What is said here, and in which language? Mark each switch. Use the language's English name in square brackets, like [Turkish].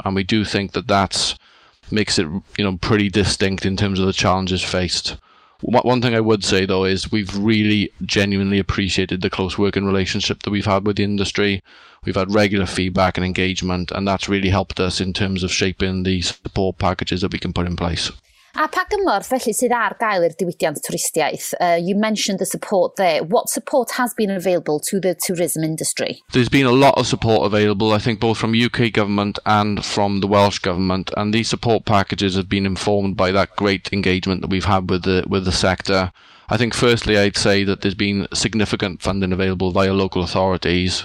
[English] And we do think that that's makes it, you know, pretty distinct in terms of the challenges faced. One thing I would say, though, is we've really genuinely appreciated the close working relationship that we've had with the industry. We've had regular feedback and engagement, and that's really helped us in terms of shaping the support packages that we can put in place. [Welsh] A pa gymorth felly sydd ar gael i'r diwydiant twristiaeth? [English] You mentioned the support there. What support has been available to the tourism industry? There's been a lot of support available, I think, both from UK government and from the Welsh government. And these support packages have been informed by that great engagement that we've had with the sector. I think firstly, I'd say that there's been significant funding available via local authorities.